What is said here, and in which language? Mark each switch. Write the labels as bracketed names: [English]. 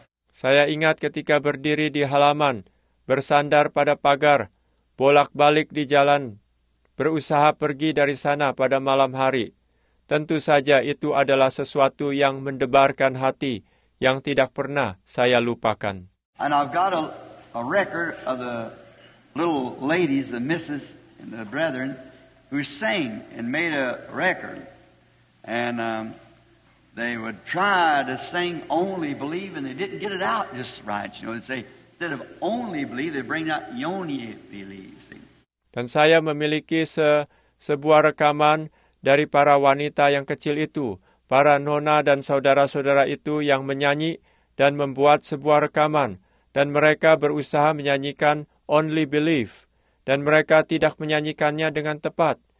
[Indonesian] Saya ingat ketika berdiri di halaman, bersandar pada pagar, bolak-balik di jalan, berusaha pergi dari sana pada malam hari. Tentu saja itu adalah sesuatu yang mendebarkan hati yang tidak pernah saya lupakan. [English] And I've got a record of the little ladies, the misses, and the brethren who sang and made a record. And they would try to sing only believe, and they didn't get it out just right. You know, they'd say, instead of only believe, they bring out yoni believe. See? [Indonesian] Dan saya memiliki sebuah rekaman dari para wanita yang kecil itu, para nona dan saudara-saudara itu yang menyanyi dan membuat sebuah rekaman. Dan mereka berusaha menyanyikan [English] only believe. [Indonesian] Dan mereka tidak menyanyikannya dengan tepat.